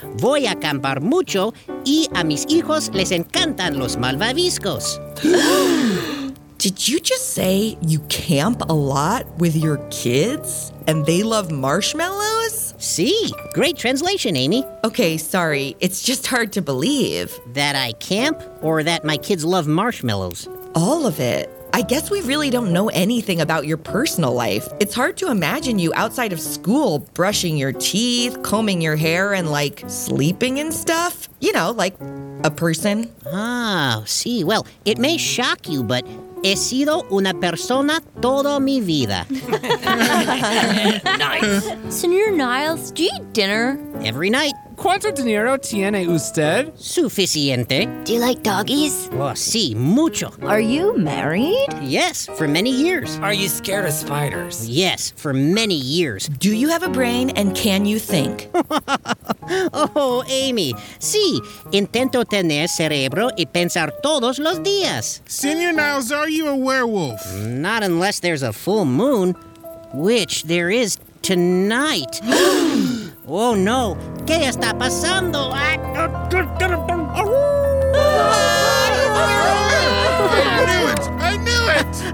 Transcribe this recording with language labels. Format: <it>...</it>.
<es>Voy a acampar mucho y a mis hijos les encantan los malvaviscos.</es> <en>Did you just say you camp a lot with your kids and they love marshmallows? See, great translation, Amy. Okay, sorry. It's just hard to believe. That I camp or that my kids love marshmallows? All of it. I guess we really don't know anything about your personal life. It's hard to imagine you outside of school brushing your teeth, combing your hair, and, like, sleeping and stuff. You know, like a person. Ah, see. Well, it may shock you, but</en> <es>he sido una persona toda mi vida.</es> <en>Nice. Señor Niles, do you eat dinner? Every night.</en> <es>¿Cuánto dinero tiene usted? Suficiente.</es> <en>Do you like doggies?</en> <es>Oh, sí, mucho.</es> <en>Are you married? Yes, for many years. Are you scared of spiders? Yes, for many years. Do you have a brain and can you think?</en> <es>Oh, Amy, sí. Intento tener cerebro y pensar todos los días.</es> <en>Señor Niles, are you a werewolf? Not unless there's a full moon, which there is tonight.</en> <es>Oh, no. ¿Qué está pasando?</es> <en>I knew it!</en>